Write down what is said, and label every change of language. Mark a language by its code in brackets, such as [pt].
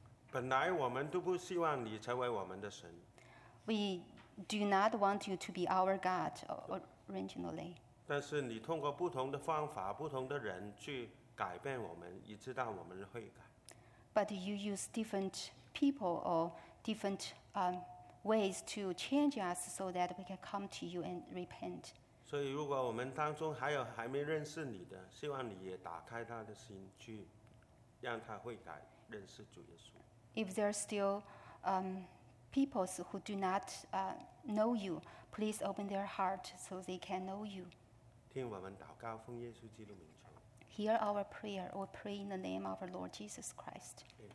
[zh] 本来我们都不希望你成为我们的神。 [en] We do not want you to be our God originally. [zh] 但是你通过不同的方法、不同的人去改变我们，以致让我们悔改。 [en] But you use different people or different ways to change us so that we can come to you and repent. [zh] 所以如果我们当中还有还没认识你的，希望你也打开他的心去让他悔改，认识主耶稣。 [en] If there are still peoples who do not know you, please open their heart so they can know you. [zh] 听我们祷告，奉耶稣基督名求。 [en] Hear our prayer. We pray in the name of our Lord Jesus Christ.